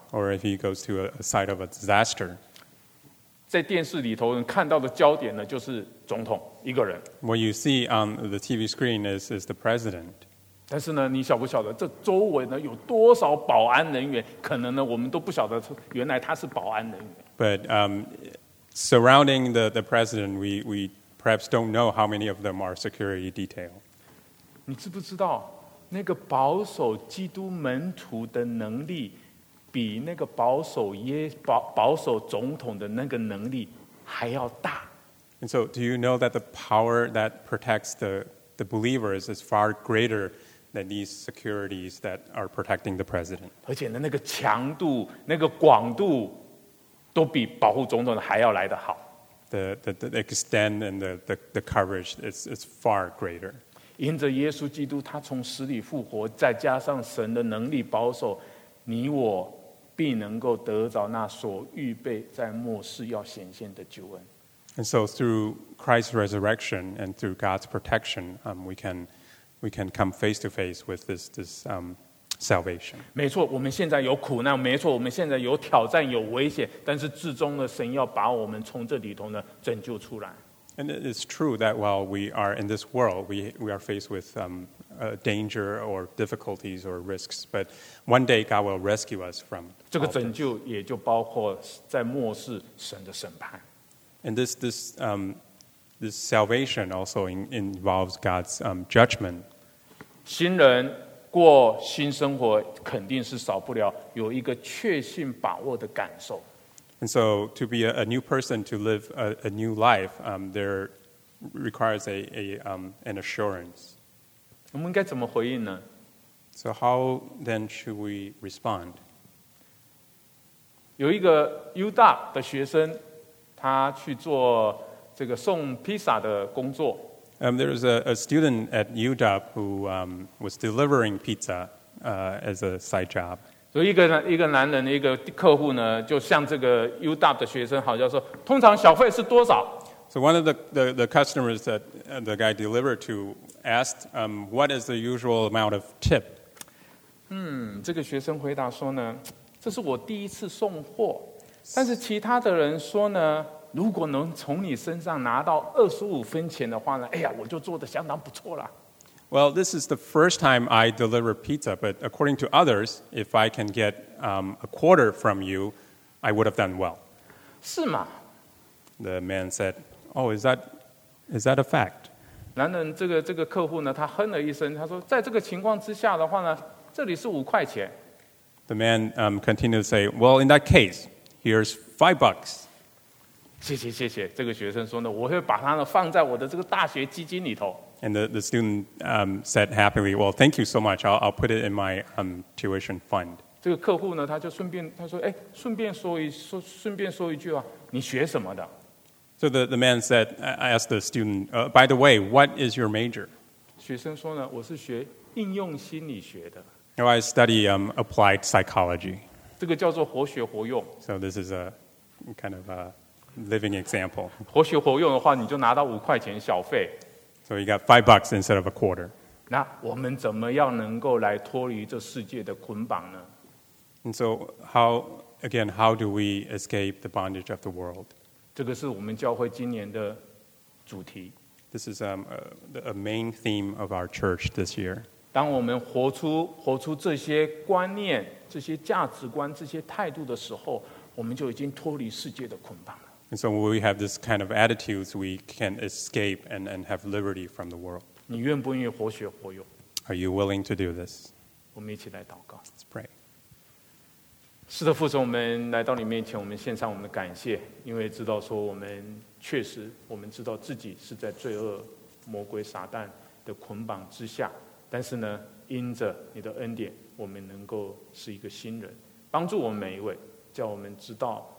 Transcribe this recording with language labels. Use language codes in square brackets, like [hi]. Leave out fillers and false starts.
[en] Or if he goes to a site of a disaster. [zh] 在电视里头看到的焦点呢就是总统一个人。 [en] What you see on the TV screen is the president. [zh] 但是呢，你晓不晓得这周围呢有多少保安人员？可能呢，我们都不晓得原来他是保安人员。 [en] But surrounding the president, we perhaps don't know how many of them are security detail. [zh] 你知不知道那个保守基督门徒的能力比那个保守总统的那个能力还要大 [en] ？And so, do you know that the power that protects the believers is far greater? That these securities that are protecting the president. [zh] 而且呢，那个强度、那个广度，都比保护总统还要来得好。 [en] The extent and the coverage is far greater. [zh] 因着耶稣基督他从死里复活，再加上神的能力保守，你我必能够得着那所预备在末世要显现的救恩。 [en] And so through Christ's resurrection and through God's protection, we can come face to face with this salvation. [zh] 没错，我们现在有苦难，没错，我们现在有挑战，有危险，但是至终呢，神要把我们从这里头呢拯救出来。 [en] And it is true that while we are in this world, we are faced with danger or difficulties or risks. But one day God will rescue us from. [zh] 这个拯救也就包括在末世神的审判。 [en] And this salvation also involves God's judgment. [zh] 新人过新生活肯定是少不了有一个确信把握的感受。 [en] And so to be a new person, to live a new life, there requires an assurance. [zh] 我们应该怎么回应呢？ [en] So how then should we respond? [zh] 有一个 UDAP 的学生他去做这个送披萨的工作。 [en] There was a student at UDub who was delivering pizza as a side job. [zh] 所以一个男人的一个客户呢，就向这个 UDub 的学生好像说，通常小费是多少 [en] ？So one of the customers that the guy delivered to asked, "What is the usual amount of tip?" [zh] 这个学生回答说呢，这是我第一次送货，但是其他的人说呢。如果能从你身上拿到25分钱的话呢，哎呀，我就做得相当不错了。 [en] Well, this is the first time I deliver pizza, but according to others, if I can get a quarter from you, I would have done well. [zh] 是吗？ [en] The man said, "Oh, is that a fact?" [zh] 男人这个客户呢，他哼了一声，他说，在这个情况之下的话呢，这里是5块钱。 [en] The man continued to say, "Well, in that case, here's $5." [zh] 谢谢谢谢，这个学生说呢，我会把它呢放在我的这个大学基金里头。 [en] And the student said happily, "Well, thank you so much. I'll put it in my tuition fund." [zh] 这个客户呢，他就顺便他说，哎，顺便说一句啊，你学什么的 [en] ？So the man said, "I asked the student, by the way, what is your major?" [zh] 学生说呢，我是学应用心理学的。 [en] No, I study applied psychology. [zh] 这个叫做活学活用。 [en] So this is a kind of a living example. [zh] 活学活用的话，你就拿到5块钱小费。 [en] So you got $5 instead of a quarter. [zh] 那我们怎么样能够来脱离这世界的捆绑呢 [en] ？And so, how do we escape the bondage of the world? [zh] 这个是我们教会今年的主题。 [en] This is a main theme of our church this year. [zh] 当我们活出这些观念、这些价值观、这些态度的时候，我们就已经脱离世界的捆绑。 [en] And so when we have this kind of attitudes, we can escape and have liberty from the world. [zh] 你愿不愿意活学活用? [en] Are you willing to do this? [zh] 我们一起来祷告。 [en] Let's pray. [zh] 是的，父神，我们来到你面前，我们献上我们的感谢，因为知道说我们确实，我们知道自己是在罪恶、魔鬼、撒旦的捆绑之下。但是呢，因着你的恩典，我们能够是一个新人，帮助我们每一位，叫我们知道。